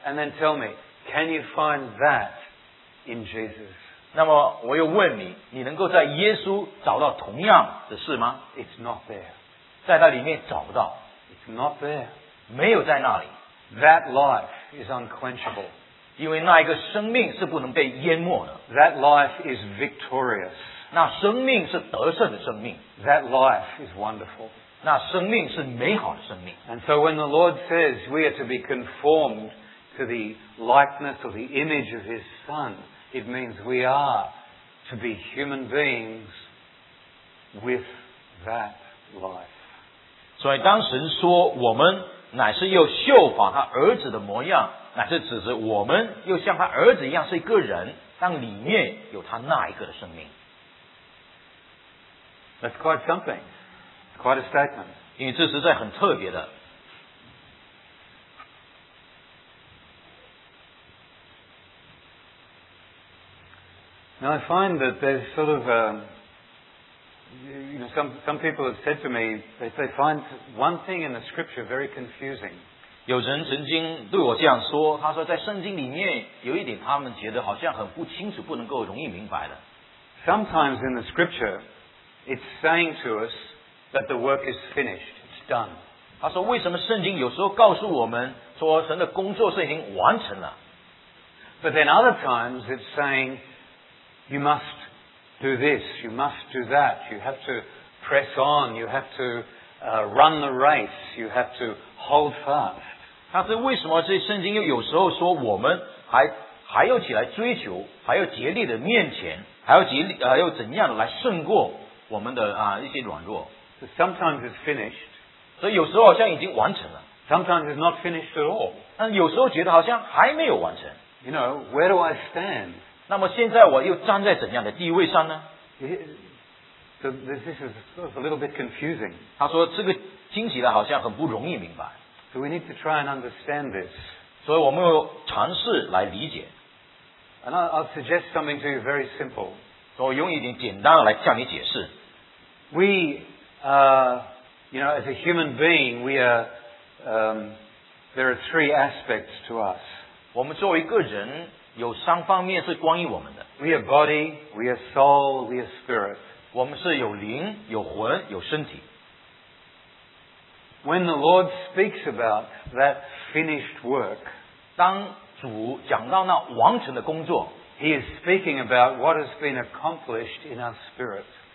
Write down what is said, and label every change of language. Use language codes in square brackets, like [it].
[en] And then tell me, can you find that in Jesus? [zh] 那么我又问你，你能够在耶稣找到同样的事吗？ [en] It's not there. [zh] 在那里面找不到。 [en] It's not there. [zh] 没有在那里。 [en] That life is unquenchable. [zh] 因为那一个生命是不能被淹没的。 [en] That life is victorious. [zh] 那生命是得胜的生命。 [en] That life is wonderful. [zh] 那生命是美好的生命。 [en] And so when the Lord says we are to be conformed to the likeness or the image of His Son, it means we are to be human beings with that life. [zh] 所以当神说我们乃是要效法他儿子的模样，乃是指着我们又像他儿子一样是一个人，但里面有他那一个的生命。 [en] That's quite something. It's quite a statement. [zh] 因为这实在很特别的。 [en] Now I find that there's sort of you know, some people have said to me that they find one thing in the scripture very confusing. [zh] 有人曾经对我这样说，他说在圣经里面有一点他们觉得好像很不清楚，不能够容易明白的。 [en] Sometimes in the scripture, it's saying to us that the work is finished, it's done. [zh] 他说为什么圣经有时候告诉我们说神的工作是已经完成了。 [en] But then other times it's saying, you must do this, you must do that, you have to press on, you have to run the race, you have to... Hold fast. [zh] 但是为什么这圣经又有时候说我们还要起来追求，还要竭力的面前，还要竭力要怎样的来胜过我们的一些软弱。 [en] So sometimes it's finished. [zh] 所以有时候好像已经完成了。 [en] Sometimes it's not finished at all. [zh] 但有时候觉得好像还没有完成。 [en] You know, where do I stand? [zh] 那么现在我又站在怎样的地位上呢？ [en] So this is a little bit confusing. [zh] 他说这个听起来好像很不容易明白。 [en] So we need to try and understand this. [zh] 所以我们要尝试来理解。 [en] And I'll suggest something to you very simple. [zh] 我用一点简单来向你解释。 [en] We, you know, as a human being, we are, there are three aspects to us. [zh] 我们作为个人，有三方面是关于我们的。 [en] We are body, we are soul, we are spirit. [zh] 我们是有灵、有魂、有身体。 [en] When the Lord speaks about that finished work, [zh] 当主讲到那完成的工作, [en] He is speaking about what has been accomplished in our spirit.